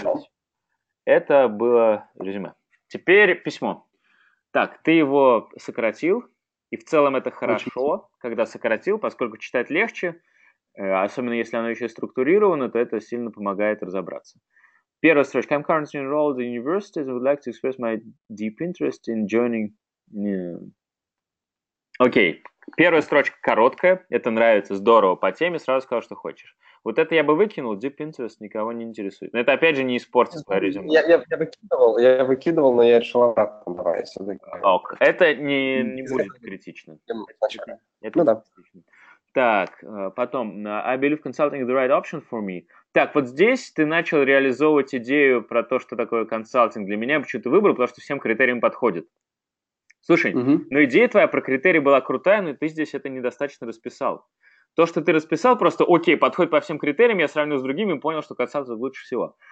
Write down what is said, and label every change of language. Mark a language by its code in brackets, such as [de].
[ru] Разобрались. Это было резюме. Теперь письмо. Так, ты его сократил. И в целом это хорошо, когда сократил, поскольку читать легче, особенно если оно еще структурировано, то это сильно помогает разобраться. Первая строчка. [en] I'm currently enrolled in universities and would like to express my deep interest in joining... [ru] Окей. Первая строчка короткая. Это нравится, здорово. По теме сразу сказал, что хочешь. Вот это я бы выкинул. [en] Deep interest [ru] никого не интересует. Но это, опять же, не испортит твое резюме. Я выкидывал, но я решил обратно добавить. Ок. Это не будет критично. Это критично. Так, потом. [en] I believe consulting is the right option for me. [ru] Так, вот здесь ты начал реализовывать идею про то, что такое консалтинг. Для меня почему-то выбрал, потому что всем критериям подходит. Слушай, но идея твоя про критерии была крутая, но ты здесь это недостаточно расписал. То, что ты расписал, просто окей, подходит по всем критериям, я сравнил с другими и понял, что консалтинг лучше всего.